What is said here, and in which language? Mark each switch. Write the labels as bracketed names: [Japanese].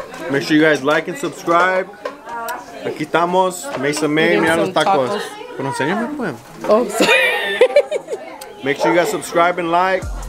[English] Make sure you guys like and subscribe. [Spanish] Aquí estamos, Mesa May, mira los tacos. Pero enséñame, pues. [English] Oh, sorry. Make sure you guys subscribe and like.